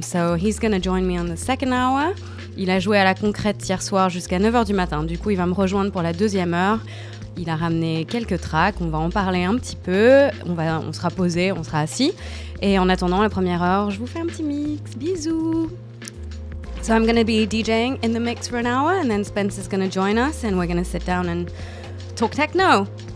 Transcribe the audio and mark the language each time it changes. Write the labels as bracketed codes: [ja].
[en] So he's gonna join me on the second hour. [fr] Il a joué à la concrète hier soir jusqu'à 9h du matin. Du coup, il va me rejoindre pour la deuxième heure. Il a ramené quelques tracks, on va en parler un petit peu. On sera posé, on sera assis. Et en attendant la première heure, je vous fais un petit mix. Bisous. [en] So I'm going to be DJing in the mix for an hour and then Spencer's going to join us and we're going to sit down and talk techno.